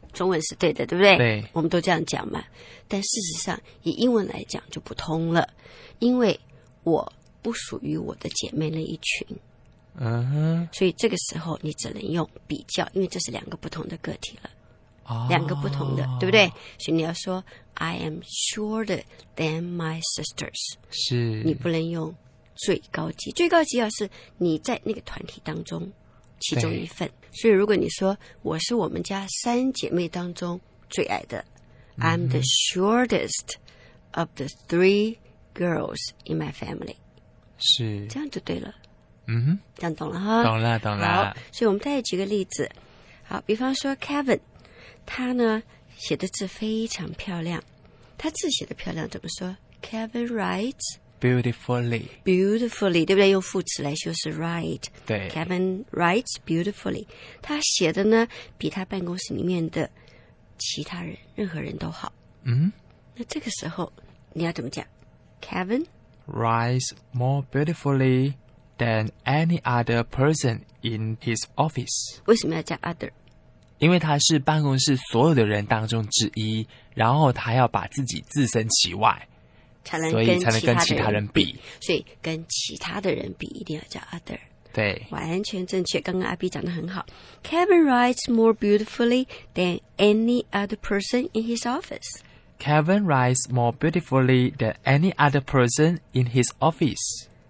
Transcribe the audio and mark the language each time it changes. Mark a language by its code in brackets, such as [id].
[zh] 中文是对的，对不对？对，我们都这样讲嘛。但事实上，以英文来讲就不通了，因为我不属于我的姐妹那一群。所以这个时候你只能用比较，因为这是两个不同的个体了。两个不同的、对不对？所以你要说 [en] I am shorter than my sisters， [zh] 是你不能用最高级，最高级要是你在那个团体当中其中一份。所以如果你说我是我们家三姐妹当中最矮的、 [en] I'm the shortest of the three girls in my family， [zh] 是这样就对了。嗯，这样懂了哈？懂了，懂了。好，所以我们再举个例子。好，比方说 Kevin，他呢写的字非常漂亮，他字写的漂亮怎么说？ [en] Kevin writes beautifully. Beautifully， [zh] 对不对？用副词来修饰 write。对， [en] Kevin writes beautifully， [zh] 他写的呢比他办公室里面的其他人任何人都好。那这个时候你要怎么讲？ [en] Kevin writes more beautifully than any other person in his office。 [zh] 为什么要加 other？因为他是办公室所有的人当中之一，然后他要把自己置身其外，才能跟其他的人比，所以跟其他的人比一定要叫 other。对，完全正确。刚刚阿 B 讲得很好， [en] Kevin writes more beautifully than any other person in his office. Kevin writes more beautifully than any other person in his office.